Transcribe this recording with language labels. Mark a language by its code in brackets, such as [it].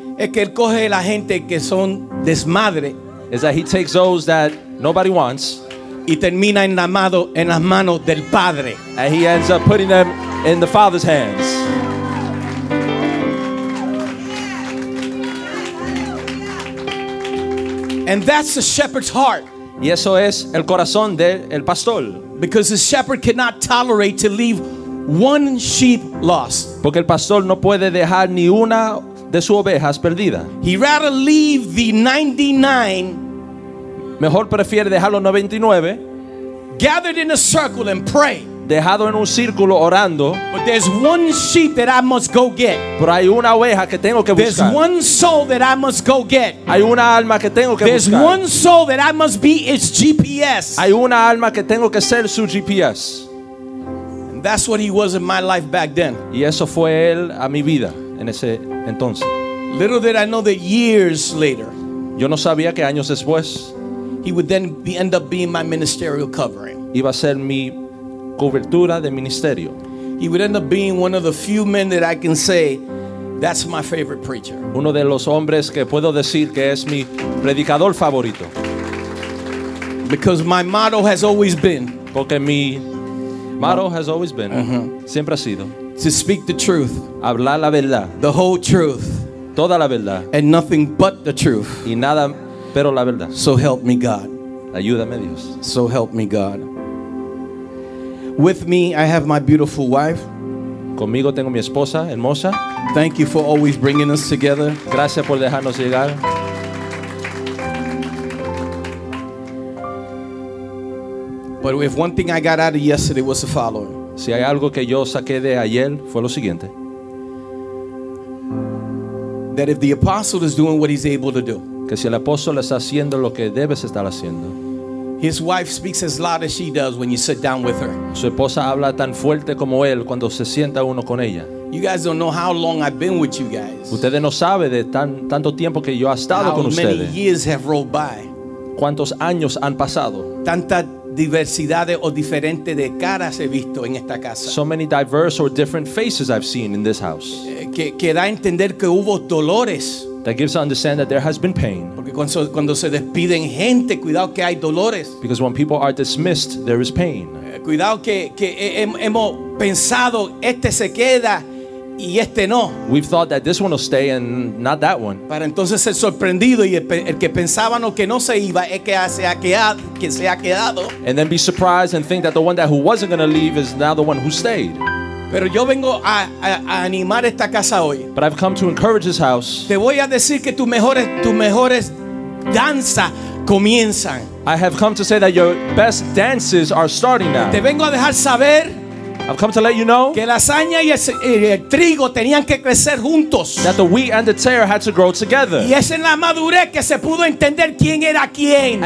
[es] Es que él coge la gente que son desmadre. [en] Is that he takes those that nobody wants. [es] Y termina enlamado en las manos del Padre. [en] And he ends up putting them in the Father's hands. And that's the shepherd's heart. [es] Y eso es el corazón del pastor. [en] Because the shepherd cannot tolerate to leave one sheep lost. [es] Porque el pastor no puede dejar ni una de sus ovejas perdida. [en] He rather leave the 99. [es] Mejor prefiere dejar los 99. [en] Gathered in a circle and pray. [es] Dejado en un círculo orando. [en] But there's one sheep that I must go get. [es] Pero hay una oveja que tengo que [en] there's [es] buscar. [en] There's one soul that I must go get. [es] Hay una alma que tengo que [en] there's [es] buscar. [en] One soul that I must be its GPS. [es] Hay una alma que tengo que ser su GPS. [en] And that's what he was in my life back then. [es] Y eso fue él a mi vida en ese entonces. [en] Little did I know that years later. [es] Yo no sabía que años después. [en] He would then end up being my ministerial covering. [es] Iba a ser mi cobertura de ministerio. [en] He would end up being one of the few men that I can say that's my favorite preacher. [es] Uno de los hombres que puedo decir que es mi predicador favorito. [en] Because my motto has always been. [es] Porque mi [en] motto has always been. [es] Uh-huh. Siempre ha sido. [en] To speak the truth. [es] Hablar la verdad. [en] The whole truth. [es] Toda la verdad. [en] And nothing but the truth. [es] Y nada. Pero la verdad. [en] So help me God. [es] Ayúdame, Dios. [en] So help me, God. With me, I have my beautiful wife. [es] Conmigo tengo mi esposa hermosa. [en] Thank you for always bringing us together. [es] Gracias por dejarnos llegar. [en] But if one thing I got out of yesterday was the following. [es] Si hay algo que yo saqué de ayer fue lo siguiente. [en] That if the apostle is doing what he's able to do. [es] Que si el apóstol está haciendo lo que debe estar haciendo. [en] His wife speaks as loud as she does when you sit down with her. [es] Su esposa habla tan fuerte como él cuando se sienta uno con ella. [en] You guys don't know how long I've been with you guys. [es] Ustedes no saben de tanto tiempo que yo he estado con ustedes. [en] How many years have rolled by? [es] ¿Cuántos años han pasado? Tanta diversidad o diferente de caras he visto en esta casa. [en] So many diverse or different faces I've seen in this house. [es] Que da a entender que hubo dolores. [en] That gives to understand that there has been pain. [es] Porque cuando se despiden gente, cuidado que hay dolores. [en] Because when people are dismissed, there is pain. [es] Cuidado que hemos pensado este se queda y este no. [en] We've thought that this one will stay and not that one. [es] Para entonces ser sorprendido y el que pensaban o que no se iba es que se ha quedado. [en] And then be surprised and think that the one that who wasn't going to leave is now the one who stayed. [es] Pero yo vengo a animar esta casa hoy. [en] But I've come to encourage this house. [es] Te voy a decir que tus mejores danzas comienzan. [en] I have come to say that your best dances are starting now. [es] Te vengo a dejar saber. [en] I've come to let you know. [es] Que la hazaña y el trigo tenían que crecer juntos. [en] That the wheat and the tare had to grow together. [es] Y es en la madurez que se pudo entender quién era quién.